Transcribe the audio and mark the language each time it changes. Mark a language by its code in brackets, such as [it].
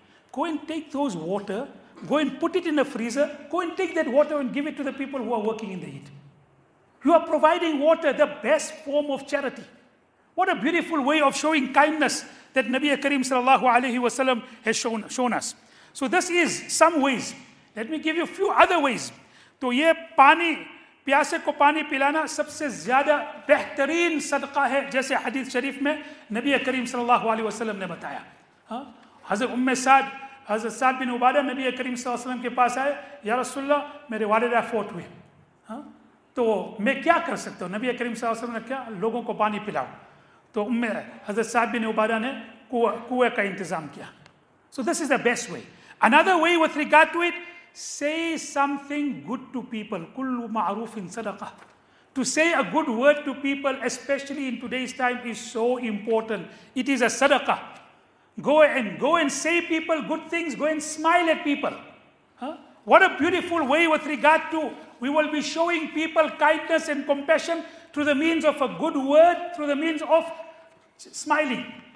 [en] Go and take those water, go and put it in a freezer, go and take that water and give it to the people who are working in the heat. You are providing water, the best form of charity. What a beautiful way of showing kindness that Nabi Karim sallallahu alayhi wa sallam has shown us. So this is some ways. Let me give you a few other ways. [ur] To ye pani, پیاسے کو پانی پلانا سب سے زیادہ بہترین صدقہ ہے, جیسے حدیث شریف میں نبی کریم صلی اللہ علیہ وسلم نے بتایا. حضرت ام سعد, حضرت سعد بن عبادہ نبی کریم صلی اللہ علیہ وسلم کے پاس آئے, یا رسول اللہ میرے والدہ فوت ہوئے, تو میں کیا کر سکتا ہوں؟ نبی کریم صلی اللہ علیہ وسلم نے کیا, لوگوں کو پانی پلاؤ. تو حضرت سعد بن عبادہ نے کنویں کا انتظام کیا. [en] So this is the best way. Another way with regard to it, say something good to people. [ar] Kullu ma'rufin sadaqah. [en] To say a good word to people, especially in today's time, is so important. It is a sadaqah. Go and say people good things. Go and smile at people. What a beautiful way with regard to, we will be showing people kindness and compassion through the means of a good word, through the means of smiling.